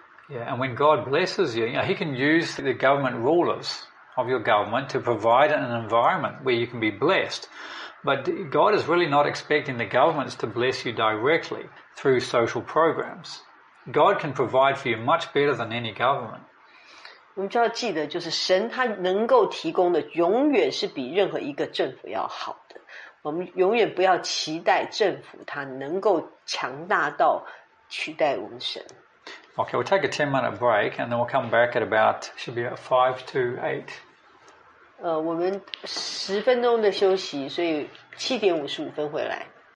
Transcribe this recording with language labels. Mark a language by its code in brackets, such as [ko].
[en] Yeah, and when God blesses you, he can use the government rulersof your government to provide an environment where you can be blessed. But God is really not expecting the governments to bless you directly through social programs. God can provide for you much better than any government. [zh] 我们就要记得就是神他能够提供的永远是比任何一个政府要好的。我们永远不要期待政府它能够强大到取代我们神。 [en] Okay, we'll take a 10-minute break and then we'll come back at about, should be at 5 to 8. [zh] 我们10分钟的休息，所以7:55回来。